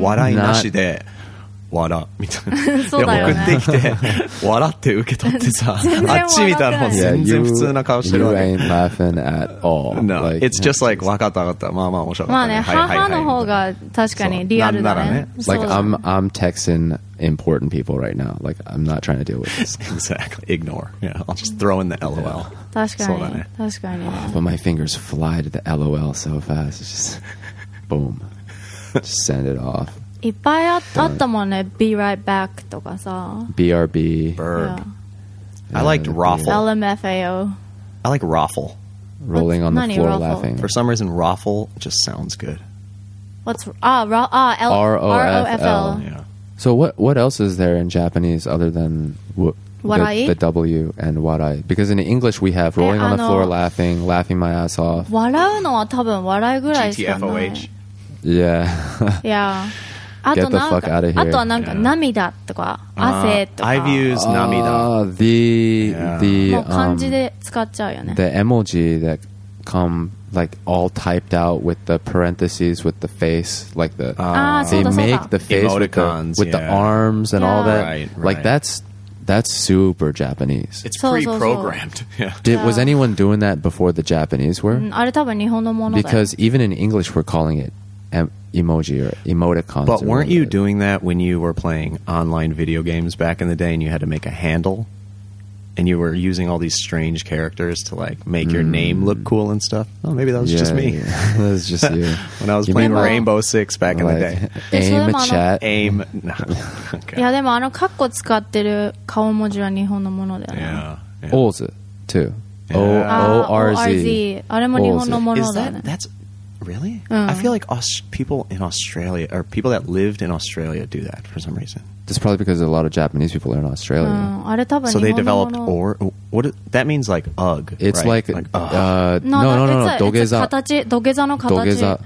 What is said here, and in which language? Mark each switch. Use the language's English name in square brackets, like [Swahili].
[Japanese] 笑いなしで笑みたいな、ね、送ってきて笑って受け取ってさあっち見たら全然普通な顔してるわけ [English] you ain't laughing at all no like, it's just like [Japanese] わかったわかったまあまあ面白かったねまあね母の方が確かにリアルだ ね, ね [English] like I'm texting important people right now like I'm not trying to deal with this exactly ignore yeah I'll just throw in the LOL、yeah. [Japanese] 確かに、ね、確かに、 [English] ね。But my fingers fly to the LOL so fast. It's just boom, just send it off. [Japanese] いっぱいあったもんね。 [English] Be right back [Japanese] とかさ。 [English] BRB. Burp.、Yeah. I liked raffle. LMFAO. I like raffle. Rolling on the floor、raffle? Laughing. For some reason, raffle just sounds good. What's R-O-F-L. Yeah. So what else is there in Japanese other than what? The W and warai. Because in English we have rolling on the floor laughing, laughing my ass off. [Japanese] 笑うのは多分笑いぐらいしかない。 [English] GTFOH. Yeah. Yeah. Get the fuck out of here. [Japanese] あとはなんか、 [English] yeah. [Japanese] 涙とか汗とか。 [English] I've used 涙. The,、yeah. the, [Japanese] もう漢字で使っちゃうよね。 [English] The emoji that come like all typed out with the parentheses with the face. Like the, they make the face emoticons, with the、 yeah. arms and、 all that. Right, right. Like that's... That's super Japanese. It's pre-programmed. Yeah. Did, was anyone doing that before the Japanese were? [Japanese] あれ多分日本のものだ。 [English] Because even in English, we're calling it emoji or emoticons. But weren't you doing that when you were playing online video games back in the day and you had to make a handle? And you were using all these strange characters to like make your name look cool and stuff? Oh, maybe that was just me. Yeah. That was just you. When I was playing Rainbow Six back in the day. Aim a chat. Aim. No. [Japanese] いやでもあのカッコ使ってる顔文字は日本のものだよね。 [English] Yeah, yeah. Orz too. O-R-Z. [Japanese] あれも日本のものだよね。 [English] Is that, that's really?、 [Japanese] うん、 [English] I feel like people in Australia or people that lived in Australia do that for some reason. That's probably because a lot of Japanese people are in Australia.、 [Japanese] うん、あれ多分 [English] so they developed or what? That means like ug. It's、 right? like no, no. It's [Japanese] 土下座。形土下座の形。